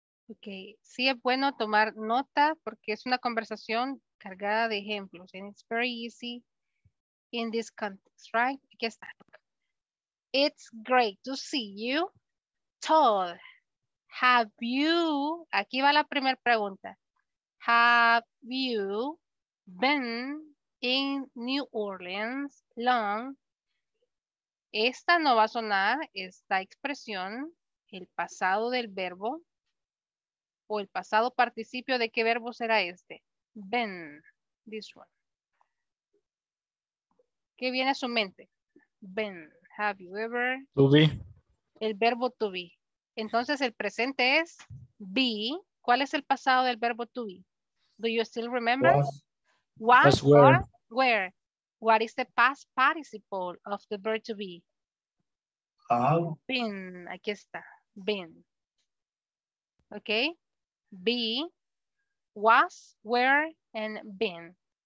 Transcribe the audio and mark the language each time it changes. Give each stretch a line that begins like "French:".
Spanish: Okay, sí es bueno tomar nota porque es una conversación cargada de ejemplos.
English: And it's very easy in this context, right?
Spanish: Aquí está.
English: It's great to see you.
Spanish: Todd,
English: have you,
Spanish: aquí va la primera pregunta.
English: Have you been in New Orleans long?
Spanish: Esta no va a sonar, esta expresión, el pasado del verbo o el pasado participio, ¿de qué verbo será este?
English: Been, this one.
Spanish: ¿Qué viene a su mente?
English: Been. Have you ever? To be.
Spanish: El verbo to be. Entonces el presente es be. ¿Cuál es el pasado del verbo to be?
English: Do you still remember? Was where. Where? What is the past participle of the verb to be? Have. Been.
Spanish: Aquí está.
English: Been. Okay. Be, was, where, and been.